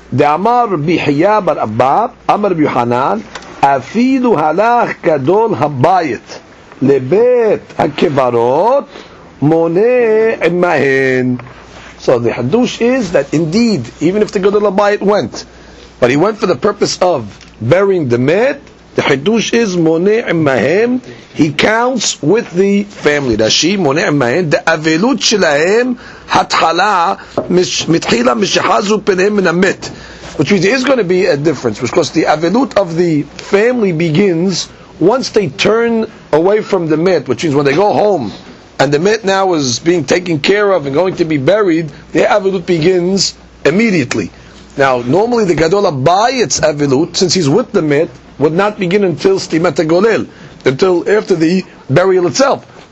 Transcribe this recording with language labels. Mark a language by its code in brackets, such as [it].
[arc] דאמר ביחיא בר אבא, אמר ביוחנן, אפילו הלך גדול הבית לבית הקברות, מונה עמהן. [en] So the Hadush is that indeed, even if the gadol habayit went, but he went for the purpose of burying the mit, the Hadush is [he] מונה עמהן, [en] he counts with the family. [he] Rashi, מונה עמהן, the avelut שלהם, התחלה, מתחילה משחזו פניהם מן המת. [en] Which means there is going to be a difference, because the avelut of the family begins once they turn away from the mit, which means when they go home, and the mit now is being taken care of and going to be buried, their avelut begins immediately. Now, normally the Gadol by its Avilut, since he's with the Mit, would not begin until Stimat HaGolel, until after the burial itself.